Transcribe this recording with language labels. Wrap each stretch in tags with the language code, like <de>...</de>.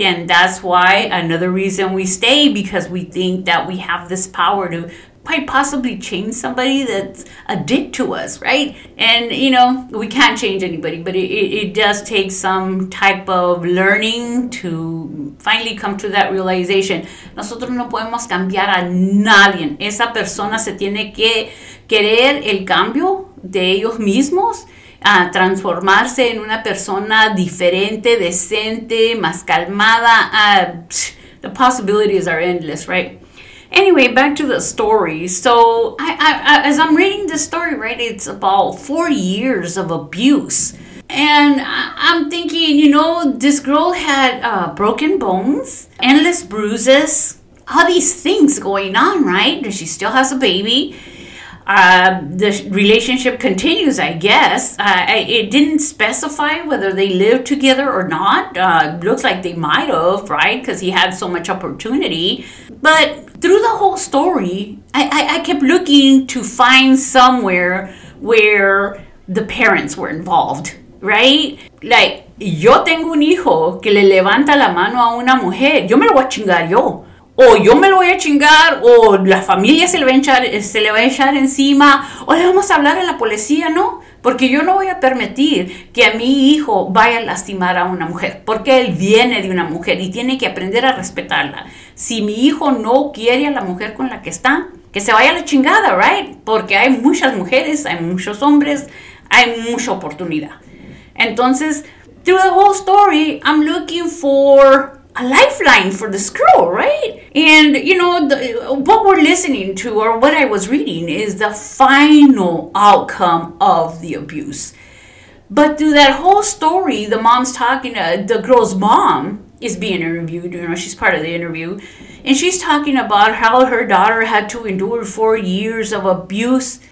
<en>And that's why another reason we stay, because we think that we have this power to quite possibly change somebody that's a dick to us, right? And, you know, we can't change anybody, but it does take some type of learning to finally come to that realization.</en> <es>Nosotros no podemos cambiar a nadie. Esa persona se tiene que querer el cambio de ellos mismos, transformarse en una persona diferente, decente, más calmada.</es> <en>The possibilities are endless, right? Anyway, back to the story. So I, as I'm reading this story, right, it's about 4 years of abuse. And I'm thinking, you know, this girl had broken bones, endless bruises, all these things going on, right? She still has a baby. The relationship continues, I guess. It didn't specify whether they lived together or not. Looks like they might have, right? Because he had so much opportunity. But through the whole story, I kept looking to find somewhere where the parents were involved, right? Like,</en> <es>yo tengo un hijo que le levanta la mano a una mujer. Yo me lo voy a chingar yo. O yo me lo voy a chingar, o la familia se le va a echar encima, o le vamos a hablar a la policía, ¿no? Porque yo no voy a permitir que a mi hijo vaya a lastimar a una mujer, porque él viene de una mujer y tiene que aprender a respetarla. Si mi hijo no quiere a la mujer con la que está, que se vaya a la chingada, ¿right? Porque hay muchas mujeres, hay muchos hombres, hay mucha oportunidad. Entonces,</es> <en>through the whole story, I'm looking for a lifeline for this girl, right? And, you know, what we're listening to, or what I was reading, is the final outcome of the abuse. But through that whole story, the mom's talking, the girl's mom is being interviewed, you know, she's part of the interview, and she's talking about how her daughter had to endure 4 years of abuse.</en>